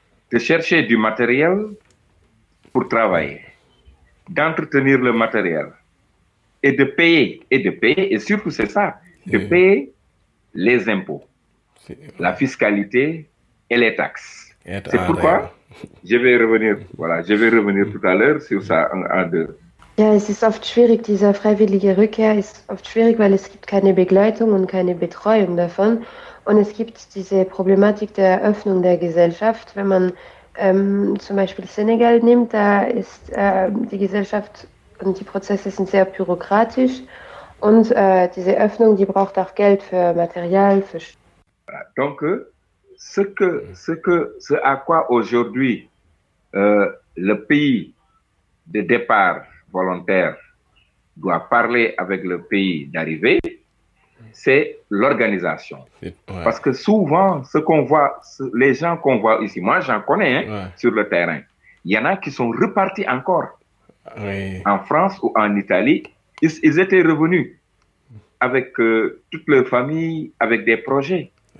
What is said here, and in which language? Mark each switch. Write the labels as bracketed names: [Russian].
[French] De chercher du matériel pour travailler, d'entretenir le matériel et de payer, et surtout c'est ça, de payer les impôts, la fiscalité et les taxes. C'est pourquoi je vais revenir tout à l'heure sur ça en deux. [German] Ja, es ist oft schwierig, diese freiwillige Rückkehr ist oft schwierig, weil es gibt keine Begleitung und keine Betreuung davon. Und es gibt diese Problematik der Öffnung der Gesellschaft. Wenn man zum Beispiel Senegal nimmt, da ist die Gesellschaft und die Prozesse sind sehr bürokratisch. Und diese Öffnung, die braucht auch Geld für Material, für Danke. [French] Ce à quoi aujourd'hui le pays de départ volontaire doit parler avec le pays d'arrivée, c'est l'organisation. Ouais. Parce que souvent, ce qu'on voit, les gens qu'on voit ici, moi j'en connais sur le terrain, il y en a qui sont repartis encore en France ou en Italie, ils étaient revenus avec toute leur famille, avec des projets.